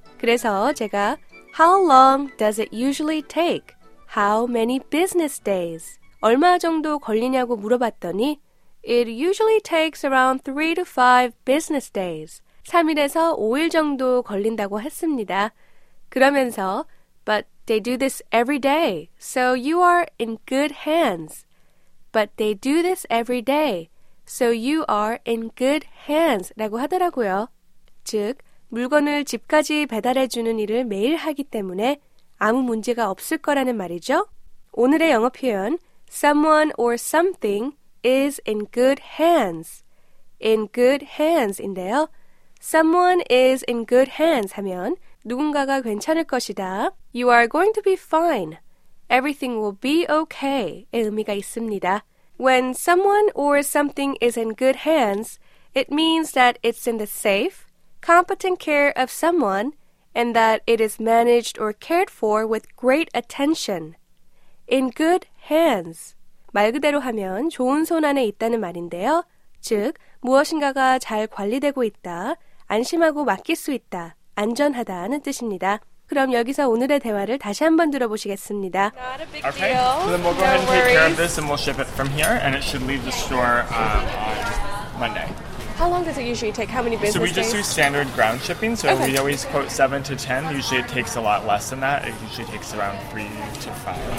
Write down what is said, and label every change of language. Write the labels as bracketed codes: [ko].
[ko] 그래서 제가 [en] How long does it usually take? How many business days? [ko] 얼마 정도 걸리냐고 물어봤더니 [en] It usually takes around 3 to 5 business days. [ko] 3일에서 5일 정도 걸린다고 했습니다. 그러면서 [en] But they do this every day, so you are in good hands. But they do this every day, so you are in good hands [ko] 라고 하더라고요. 즉, 물건을 집까지 배달해주는 일을 매일 하기 때문에 아무 문제가 없을 거라는 말이죠. 오늘의 영어 표현, [en] someone or something is in good hands. In good hands인데요. Someone is in good hands [ko] 하면 누군가가 괜찮을 것이다. [en] You are going to be fine. Everything will be okay. [ko] 의 의미가 있습니다. [en] When someone or something is in good hands, it means that it's in the safe, competent care of someone, and that it is managed or cared for with great attention. In good hands. [ko] 말 그대로 하면 좋은 손 안에 있다는 말인데요. 즉, 무엇인가가 잘 관리되고 있다, 안심하고 맡길 수 있다, 안전하다는 뜻입니다. 그럼 여기서 오늘의 대화를 다시 한번 들어보시겠습니다. [en] Not a big deal. Okay, so then we'll go ahead and take care of this and we'll ship it from here and it should leave the store on Monday. How long does it usually take? How many business days? So we just do standard ground shipping, so okay. We always quote 7 to 10. Usually it takes a lot less than that. It usually takes around 3 to 5.